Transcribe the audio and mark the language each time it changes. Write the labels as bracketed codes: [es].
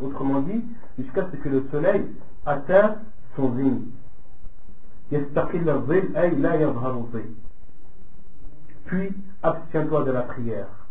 [fr] Autrement dit, jusqu'à ce que le soleil atteint son zénith. [ar] يستقل الظل أي لا يظهر الظل. [fr] Puis abstiens-toi de la prière.